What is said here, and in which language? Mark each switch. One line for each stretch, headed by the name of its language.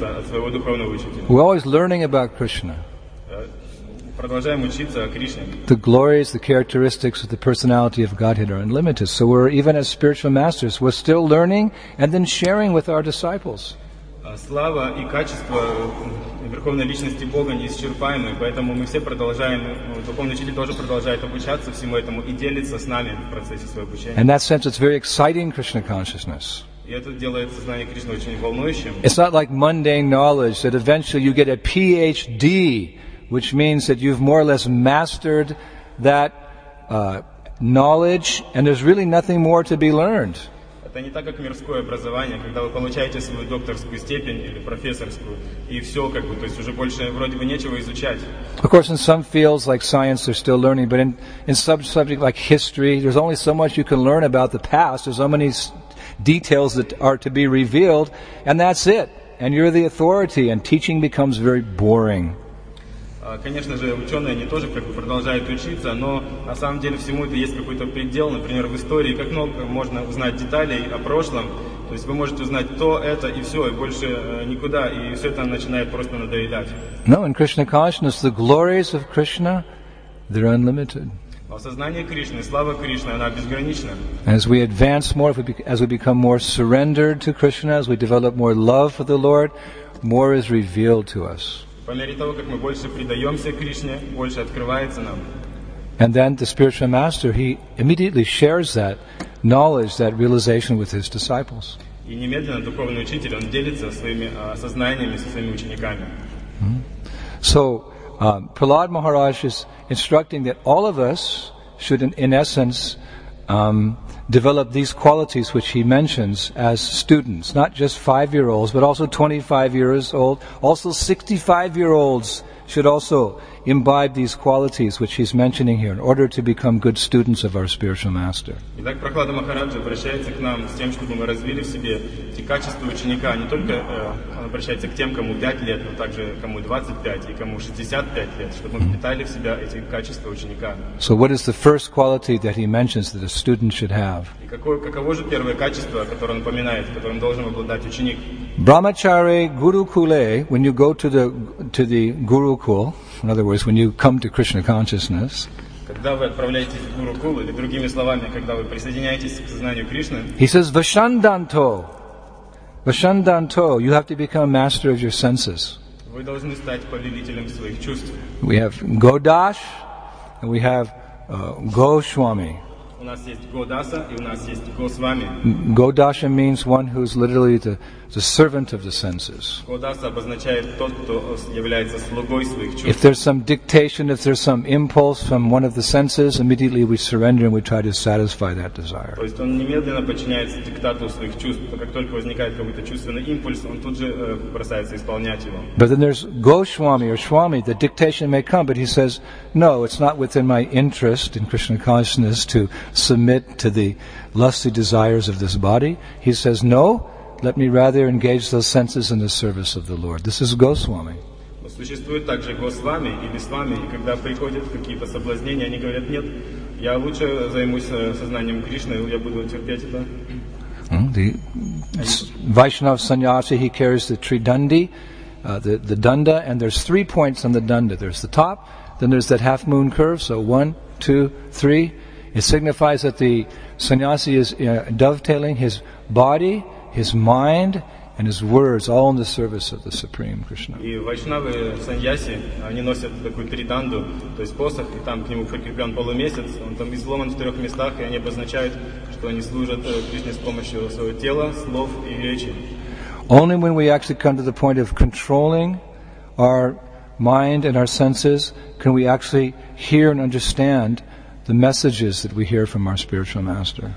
English: We're always learning about Krishna. The glories, the characteristics of the personality of Godhead are unlimited. So we're, even as spiritual masters, we're still learning and then sharing with our disciples.
Russian: Слава и качество Верховной Личности Бога неисчерпаемы, поэтому мы все продолжаем, духовный учитель тоже продолжает обучаться всему этому и делится с нами в процессе своего обучения.
English: In that sense, it's very exciting Krishna consciousness. It's not like mundane knowledge that eventually you get a PhD, which means that you've more or less mastered that knowledge and there's really nothing more to be learned.
Russian: Это не так, как мирское образование, когда вы получаете свою докторскую степень или профессорскую, и все, как бы, то есть уже больше вроде бы нечего изучать.
English: Of course, in some fields like science, they're still learning, but in some subject like history, there's only so much you can learn about the past, there's so many details that are to be revealed, and that's it. And you're the authority, and teaching becomes very boring.
Russian: Конечно же, ученые, они тоже как бы продолжают учиться, но на самом деле всему это есть какой-то предел. Например, в истории, как много можно узнать деталей о прошлом. То есть вы можете узнать то, это и все, и больше никуда. И все это начинает просто надоедать.
English: No, in Krishna consciousness, the glories of Krishna, they're unlimited.
Russian: В осознании Кришны, слава Кришны, она безгранична.
English: As we advance more, as we become more surrendered to Krishna, as we develop more love for the Lord, more is revealed to us.
Russian: По мере того, как мы больше предаемся Кришне, больше открывается нам.
English: And then the spiritual master, he immediately shares that knowledge, that realization with his disciples.
Russian: И немедленно духовный учитель, он делится своими сознаниями со своими учениками. Mm-hmm.
English: So, Prahlad Maharaj is instructing that all of us should, in essence, develop these qualities which he mentions as students, not just 5-year-olds, but also 25-year-olds, also 65-year-olds should also imbibe these qualities which he's mentioning here in order to become good students of our spiritual master.
Russian: Итак, Прохлада Махараджа обращается к нам с тем, чтобы мы развили в себе эти качества ученика, не только он обращается к тем, кому 5 лет, но также кому 25 и кому 65 лет, чтобы мы впитали в себя эти качества ученика.
English: So what is the first quality that he mentions that a student should have?
Russian: И каково же первое качество, которое он упоминает, которым должен обладать ученик?
English: Brahmachari Gurukule, when you go to the Gurukul, in other words, when you come to Krishna consciousness,
Russian: когда вы отправляетесь в Гурукул, или другими словами, когда вы присоединяетесь к сознанию Кришны,
English: he says, Vashandanto, you have to become master of your senses.
Russian: Вы должны стать повелителем своих чувств.
English: We have Godash, and we have Goswami.
Russian: У нас есть Godasa, и у нас есть Goswami.
English: Godasha means one who is literally the servant of the senses.
Russian: Godasa обозначает тот, кто является слугой своих чувств.
English: If there's some dictation, if there's some impulse from one of the senses, immediately we surrender and we try to satisfy that desire.
Russian: То есть он немедленно подчиняется диктату своих чувств. Как только возникает какой-то чувственный импульс, он тут же бросается исполнять его.
English: But then there's Goswami or Swami. The dictation may come, but he says, no, it's not within my interest in Krishna consciousness to submit to the lusty desires of this body. He says, no, let me rather engage those senses in the service of the Lord. This is Goswami.
Russian: Существует также Госвами и Бисвами, и когда приходят какие-то соблазнения, они говорят, нет, я лучше займусь сознанием Кришны, я буду терпеть это.
English: The Vaishnav Sannyasi, he carries the Tridandi, the Danda, and there's 3 points on the Danda. There's the top, then there's that half moon curve, so 1, 2, 3. It signifies that the Sannyasi is dovetailing his body, his mind, and his words, all in the service of the Supreme Krishna.
Russian: И вайшнавы саньяси, они носят такую триданду, то есть посох, и там к нему прикреплен полумесяц, он там изломан в 3 местах, и они обозначают, что они служат Кришне с помощью своего тела, слов и речи.
English: Only when we actually come to the point of controlling our mind and our senses can we actually hear and understand the messages that we hear from our spiritual master.